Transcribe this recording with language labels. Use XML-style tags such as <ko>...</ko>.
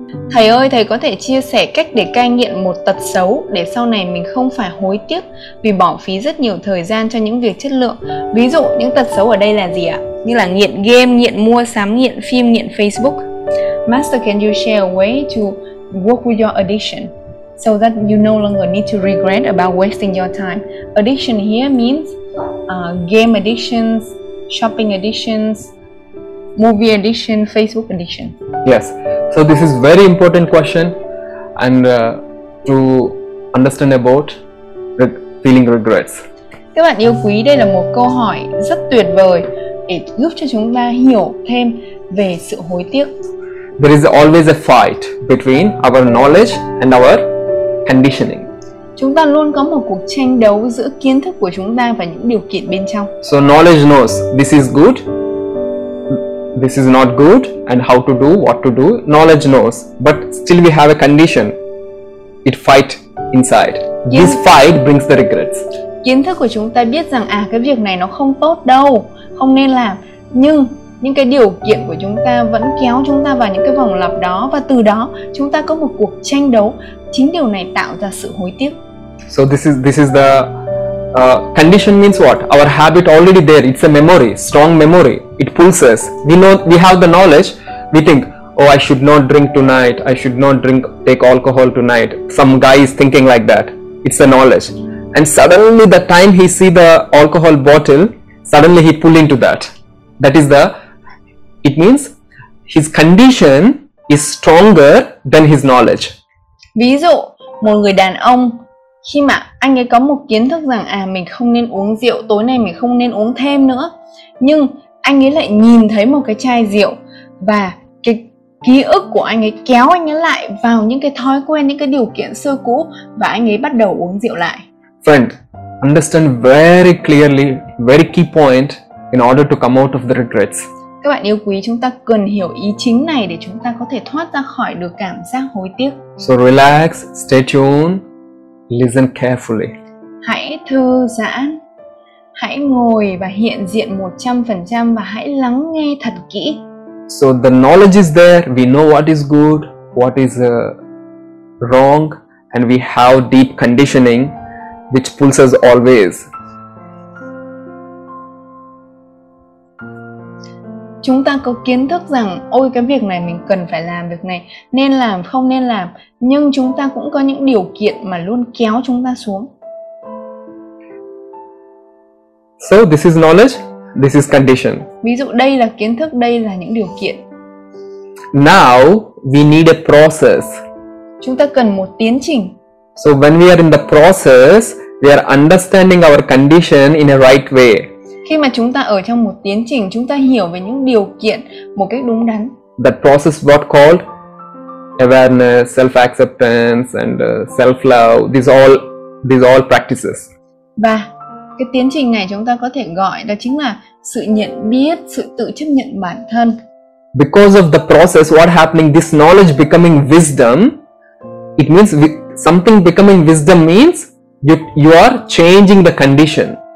<vi>Thầy ơi, thầy có thể chia sẻ cách để cai nghiện một tật xấu để sau này mình không phải hối tiếc vì bỏ phí rất nhiều thời gian cho những việc chất lượng. Ví dụ, những tật xấu ở đây là gì ạ? Như là nghiện game, nghiện mua sắm, nghiện phim, nghiện Facebook.</vi> <en>Master, can you share a way to work with your addiction so that you no longer need to regret about wasting your time? Addiction here means game addictions, shopping addictions, movie addiction, Facebook addiction. Yes. So this is very important question, and to understand about feeling regrets.</en> <vi>Các bạn yêu quý, đây là một câu hỏi rất tuyệt vời để giúp cho chúng ta hiểu thêm về sự hối tiếc.</vi> <en>There is always a fight between our knowledge and our conditioning.</en> <vi>Chúng ta luôn có một cuộc tranh đấu giữa kiến thức của chúng ta và những điều kiện bên trong.</vi> <en>So knowledge knows this is good, this is not good, and how to do, what to do, knowledge knows. But still we have a condition. It fight inside. This fight brings the regrets.</en> <vi>Kiến thức của chúng ta biết rằng cái việc này nó không tốt đâu, không nên làm. Nhưng những cái điều kiện của chúng ta vẫn kéo chúng ta vào những cái vòng lặp đó, và từ đó chúng ta có một cuộc tranh đấu. Chính điều này tạo ra sự hối tiếc.</vi> <en>So this is the condition means what? Our habit already there. It's a memory, strong memory. It pulls us. We know, we have the knowledge. We think, oh, I should not drink tonight. I should not drink, take alcohol tonight. Some guy is thinking like that. It's a knowledge. And suddenly the time he see the alcohol bottle, suddenly he pull into that. That is the, it means his condition is stronger than his knowledge.</en> <vi>Ví dụ, một người đàn ông, khi mà anh ấy có một kiến thức rằng mình không nên uống rượu, tối nay mình không nên uống thêm nữa, nhưng anh ấy lại nhìn thấy một cái chai rượu, và cái ký ức của anh ấy kéo anh ấy lại vào những cái thói quen, những cái điều kiện xưa cũ, và anh ấy bắt đầu uống rượu lại.</vi> <en>Friend, understand very clearly, very key point in order to come out of the regrets.</en> <vi>Các bạn yêu quý, chúng ta cần hiểu ý chính này để chúng ta có thể thoát ra khỏi được cảm giác hối tiếc.</vi> <en>So relax, stay tuned, listen carefully.</en> <vi>Hãy thư giãn, hãy ngồi và hiện diện 100% và hãy lắng nghe thật kỹ.</vi> <en>So the knowledge is there, we know what is good, what is wrong, and we have deep conditioning which pulls us always.</en> <vi>Chúng ta có kiến thức rằng ôi cái việc này mình cần phải làm, việc này nên làm, không nên làm, nhưng chúng ta cũng có những điều kiện mà luôn kéo chúng ta xuống.</vi> <en>So this is knowledge, this is condition.</en> <vi>Ví dụ đây là kiến thức, đây là những điều kiện.</vi> <en>Now we need a process.</en> <vi>Chúng ta cần một tiến trình.</vi> <en>So when we are in the process, we are understanding our condition in a right way.</en> <vi>Khi mà chúng ta ở trong một tiến trình, chúng ta hiểu về những điều kiện một cách đúng đắn.</vi> <en>That process what called awareness, self-acceptance and self-love, these all practices.</en> <vi>Và cái tiến trình này chúng ta có thể gọi đó chính là sự nhận biết, sự tự chấp nhận bản thân.</vi> <en>Because of the process, what happening, this knowledge becoming wisdom, it means something becoming wisdom means you are changing the condition.</en>